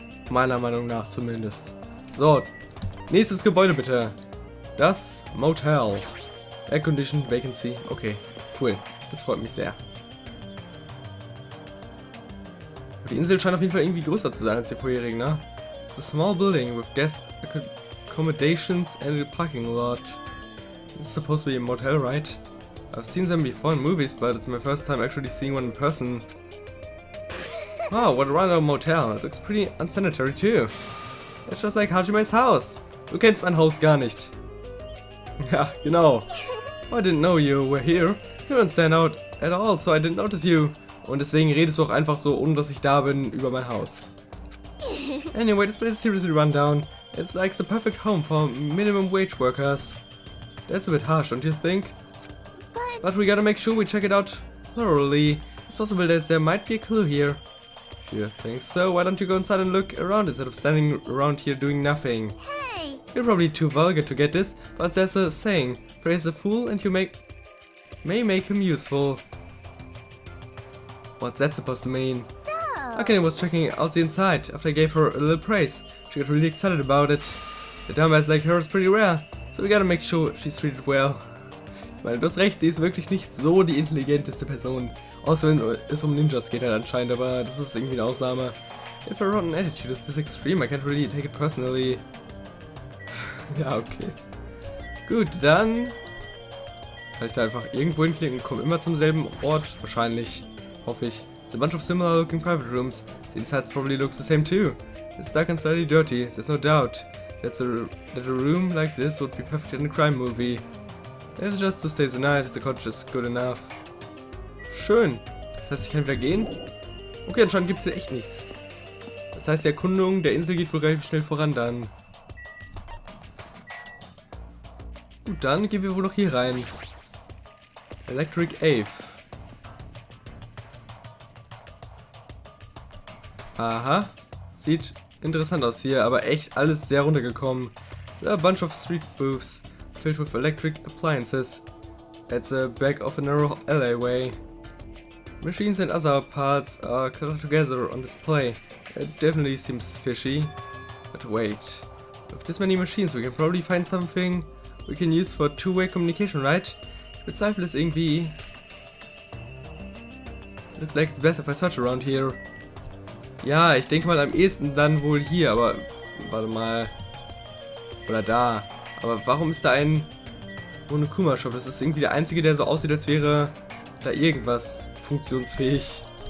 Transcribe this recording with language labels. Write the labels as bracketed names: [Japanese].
[German] Meiner Meinung nach zumindest. So, nächstes Gebäude bitte. Das Motel. Air Condition Vacancy. Okay, cool. Das freut mich sehr. Die Insel scheint auf jeden Fall irgendwie größer zu sein als die vorherigen, ne? [English] It's a small building with guest accommodations and a parking lot. This is supposed to be a motel, right? I've seen them before in movies, but it's my first time actually seeing one in person. Wow, what a random motel. It looks pretty unsanitary too. It's just like Hajime's house. [German] Du kennst mein Haus gar nicht. Ja, genau. [English] I didn't know you were here. You don't stand out at all, so I didn't notice you. [German] Und deswegen redest du auch einfach so, ohne dass ich da bin, über mein Haus. [English] Anyway, this place is seriously run down. It's like the perfect home for minimum wage workers. That's a bit harsh, don't you think? But we gotta make sure we check it out thoroughly. It's possible that there might be a clue here. If you think so, why don't you go inside and look around instead of standing around here doing nothing? Hey! You're probably too vulgar to get this, but there's a saying. Praise a fool and you may make him useful. What's that supposed to mean? So. Okay, I was checking out the inside after I gave her a little praise. She got really excited about it. A dumbass like her is pretty rare, so we gotta make sure she's treated well. [German] Ich meine, du hast recht, sie ist wirklich nicht so die intelligenteste Person. Außer wenn es um Ninjas geht halt anscheinend, aber das ist irgendwie eine Ausnahme. [English] If her rotten attitude is this extreme, I can't really take it personally. [German] Ja, okay. Gut, dann kann ich da einfach irgendwo hinklicken und komme immer zum selben Ort wahrscheinlich. Hoffe ich. [English] It's a bunch of similar looking private rooms. The inside probably looks the same too. It's dark and slightly dirty, there's no doubt. That a room like this would be perfect in a crime movie. It's just to stay the night, the cottage is good enough. [German] Schön. Das heißt, ich kann wieder gehen? Okay, anscheinend gibt's hier echt nichts. Das heißt, die Erkundung der Insel geht wohl relativ schnell voran dann. Gut, dann gehen wir wohl noch hier rein. Electric Ave. Aha, sieht interessant aus hier, aber echt alles sehr runtergekommen. [English] There are a bunch of street booths filled with electric appliances at the back of a narrow alleyway. Machines and other parts are cluttered together on display. It definitely seems fishy. But wait, with this many machines we can probably find something we can use for two-way communication, right? [German] Ich bezweifle es irgendwie. [English] Looks like it's best if I search around here. [German] Ja, ich denke mal am ehesten dann wohl hier, aber warte mal, oder da. Aber warum ist da ein Monokuma-Shop? Das ist irgendwie der einzige, der so aussieht, als wäre da irgendwas funktionsfähig.